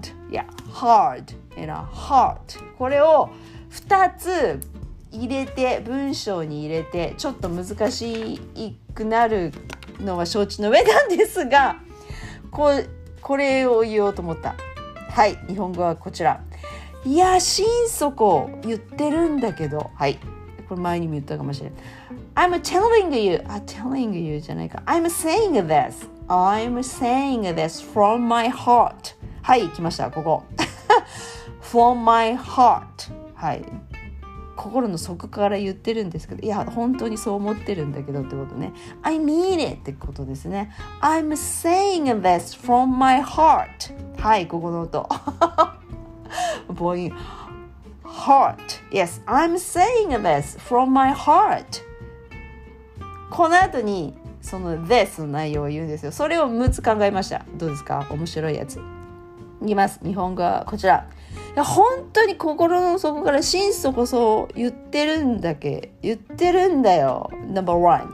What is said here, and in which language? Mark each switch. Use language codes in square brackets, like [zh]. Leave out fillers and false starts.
[en] yeah hard and a heart [ja] これを2つ入れて文章に入れてちょっと難しくなるのは承知の上なんですが これを言おうと思ったはい日本語はこちらいや心底言ってるんだけどはいこれ前にも言ったかもしれない [en] I'm telling you あ telling you じゃないか I'm saying this I'm saying this from my heart [ja] はい来ましたここfrom [en] my heart [ja] はい心の底から言ってるんですけどいや本当にそう思ってるんだけどってことね [en] I mean it [ja] ってことですね [en] I'm saying this from my heart [ja] はいここの音母音 [en] heart yes I'm saying this from my heart [ja] この後にその this の内容を言うんですよそれを6つ考えましたどうですか面白いやつ言います日本語はこちら本当に心の底から心底こそ言ってるんだけ言ってるんだよ [en] Number one